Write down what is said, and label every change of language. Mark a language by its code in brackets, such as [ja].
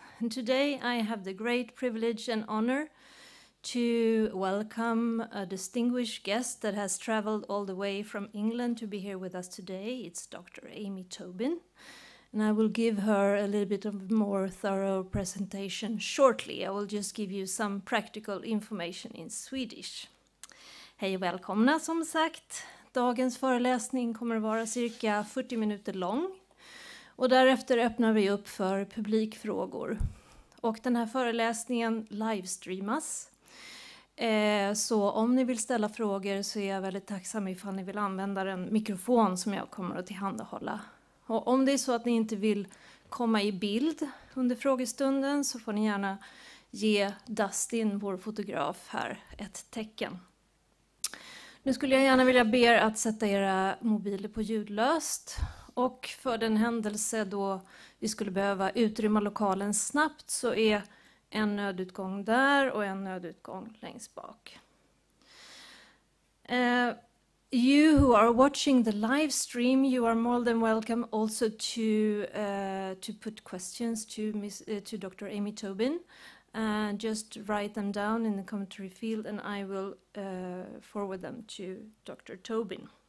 [en] And today I have the great privilege and honor to welcome a distinguished guest that has traveled all the way from England to be here with us today. It's Dr. Amy Tobin. And I will give her a little bit of more thorough presentation shortly. I will just give you some practical information in Swedish. [sv] Hej och välkomna som sagt. Dagens föreläsning kommer att vara cirka 40 minuter lång. Och därefter öppnar vi upp för publikfrågor. Och den här föreläsningen livestreamas. Så om ni vill ställa frågor så är jag väldigt tacksam ifall ni vill använda den mikrofon som jag kommer att tillhandahålla. Och om det är så att ni inte vill komma i bild under frågestunden så får ni gärna ge Dustin, vår fotograf, här ett tecken. Nu skulle jag gärna vilja be er att sätta era mobiler på ljudlöst. Och för den händelse då vi skulle behöva utrymma lokalen snabbt så är en nödutgång där och en nödutgång längst bak. [en] You who are watching the live stream, you are more than welcome also to put questions to Dr. Amy Tobin. Just write them down in the commentary field and I will forward them to Dr. Tobin.